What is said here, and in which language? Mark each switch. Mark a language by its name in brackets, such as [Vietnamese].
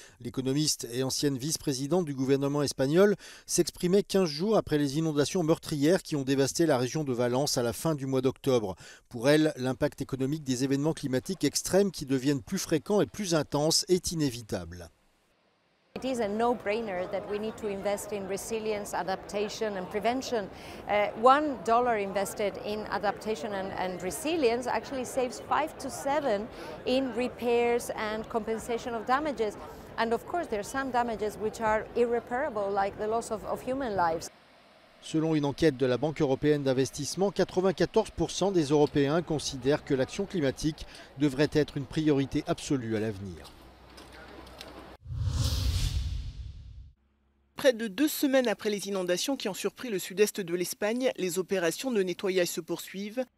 [French] L'économiste et ancienne vice-présidente du gouvernement espagnol s'exprimait 15 jours après les inondations meurtrières qui ont dévasté la région de Valence à la fin du mois d'octobre. Pour elle, l'impact économique des événements climatiques extrêmes qui deviennent plus fréquents et plus intenses est inévitable. [English] It is a no-brainer that we need to invest in resilience, adaptation and prevention. $1 invested in adaptation and resilience actually saves 5 to 7 in repairs and compensation of damages. And of course there are some damages which are irreparable, like the loss of human lives. [French] Selon une enquête de la Banque européenne d'investissement, 94% des Européens considèrent que l'action climatique devrait être une priorité absolue à l'avenir. Près de 2 semaines après les inondations qui ont surpris le sud-est de l'Espagne, les opérations de nettoyage se poursuivent.